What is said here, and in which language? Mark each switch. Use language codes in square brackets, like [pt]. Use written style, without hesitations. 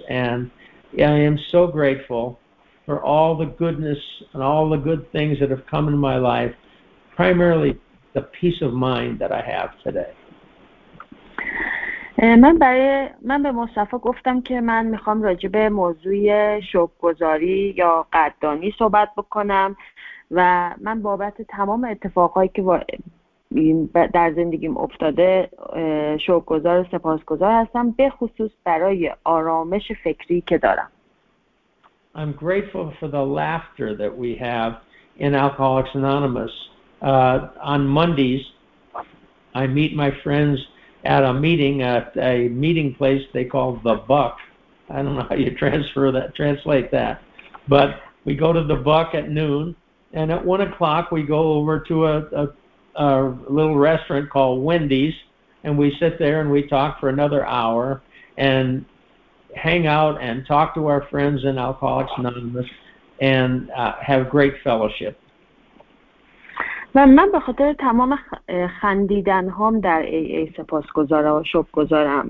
[en] And I am so grateful for all the goodness and all the good things that have come in my life, primarily the peace of mind that I have today. [fa] من به مصطفی گفتم که من میخوام راجع به موضوع شکرگزاری یا قدردانی صحبت بکنم و من بابت تمام اتفاقهایی که در زندگیم افتاده شکرگزار و سپاسگزار هستم، به خصوص برای آرامش فکری که دارم. [en] I'm grateful for the laughter that we have in Alcoholics Anonymous. On Mondays, I meet my friends at a meeting, at a meeting place they call The Buck. I don't know how you translate that. But we go to The Buck at noon, and at 1 o'clock we go over to a little restaurant called Wendy's, and we sit there and we talk for another hour and hang out and talk to our friends in Alcoholics Anonymous and have great fellowship. [fa] و من به خاطر تمام خندیدن هام در AA سپاسگزار و شکرگزارم.